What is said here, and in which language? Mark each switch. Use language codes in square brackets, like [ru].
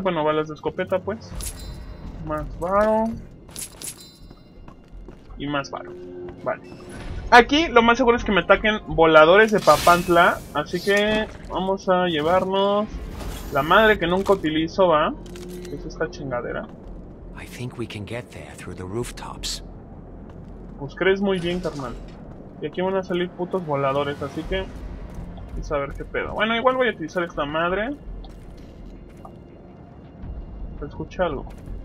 [es] Bueno, balas de escopeta, pues. Más varo. Y más varo. Vale. Aquí lo más seguro es que me ataquen voladores de Papantla. Así que vamos a llevarnos la madre que nunca utilizo, va. Es esta chingadera. [en] I think we can get there through the rooftops. [es] Pues crees muy bien, carnal. Y aquí van a salir putos voladores, así que. Y saber qué pedo. Bueno, igual voy a utilizar esta madre. Escuché algo.